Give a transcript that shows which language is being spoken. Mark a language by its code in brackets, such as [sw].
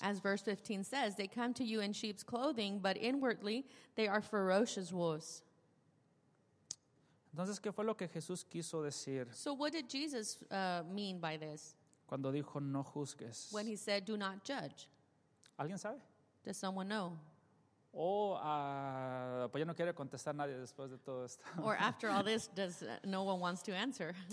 [en] As verse 15 says, they come to you in sheep's clothing, but inwardly they are ferocious wolves. [es] Entonces, ¿qué fue lo que Jesús quiso decir? [en] So what did Jesus mean by this? [es] Cuando dijo no juzgues. [en] When he said do not judge. [es] ¿Alguien sabe? [en] Does someone know? [es] Pues ya no quiere contestar nadie después de todo esto. [en] Or after all this, does no one wants to answer?